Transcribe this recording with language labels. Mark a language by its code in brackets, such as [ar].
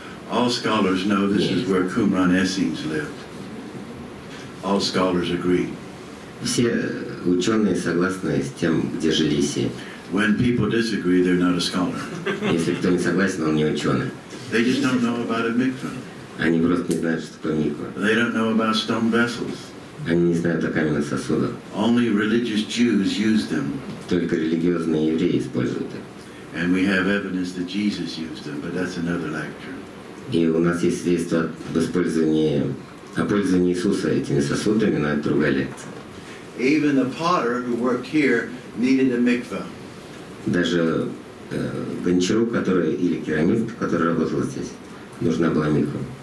[en] All scholars know this is where Qumran Essenes lived. All scholars agree. [ru] Все ученые согласны с тем, где жили Эссени. [en] When people disagree, they're not a scholar. [ru] Если кто не согласен, он не ученый. [en] They just don't know about a mikva. [ru] Они просто не знают, что такое миква. [en] They don't know about stone vessels. [ru] Они не знают о каменных сосудах. [en] Only religious Jews use them. [ru] Только религиозные евреи используют их. [en] And we have evidence that Jesus used them, but that's another lecture. [ru] И у нас есть свидетельство о пользовании Иисуса этими сосудами, но это другая лекция. [en] Even the potter who worked here needed a mikvah. [ru] Даже гончару, который или керамист, который работал здесь, нужна была миква.